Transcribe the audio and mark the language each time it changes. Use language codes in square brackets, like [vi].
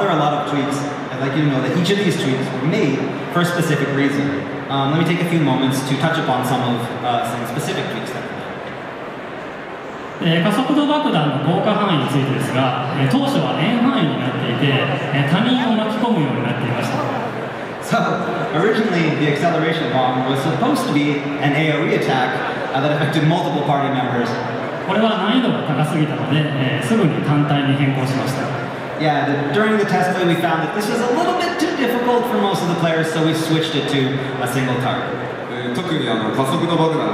[en] there are a lot of tweaks, I'd like you to know that each of these tweaks were made for a specific reason. Let me take a few moments to touch upon some specific tweaks that were made. [ja] 加速度爆弾の効果範囲についてですが、当初は円範囲になっていて、他人を巻き込むようになっていました。 [en] So, originally the acceleration bomb was supposed to be an AoE attack that affected multiple party members. [ja] これは難易度が高すぎたので、すぐに単体に変更しました。 [en] Yeah, during the test play we found that this was a little bit too difficult for most of the players, so we switched it to a single target.